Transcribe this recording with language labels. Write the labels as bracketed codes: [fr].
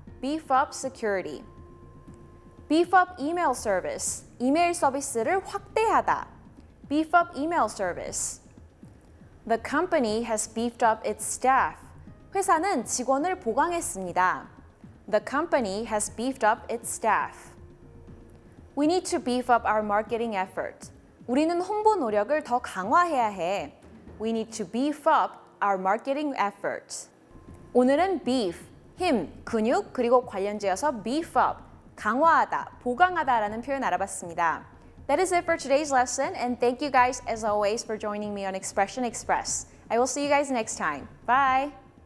[en] Beef up security. Beef up email service, [ko] 이메일 서비스를 확대하다. [en] Beef up email service. The company has beefed up its staff. [ko] 회사는 직원을 보강했습니다. [en] The company has beefed up its staff. We need to beef up our marketing effort. [ko] 우리는 홍보 노력을 더 강화해야 해. [en] We need to beef up our marketing effort. [ko] 오늘은 beef, 힘, 근육, 그리고 관련지어서 [en] beef up, [ko] 강화하다, 보강하다라는 표현 알아봤습니다. [en] That is it for today's lesson, and thank you guys as always for joining me on Expression Express. I will see you guys next time. Bye!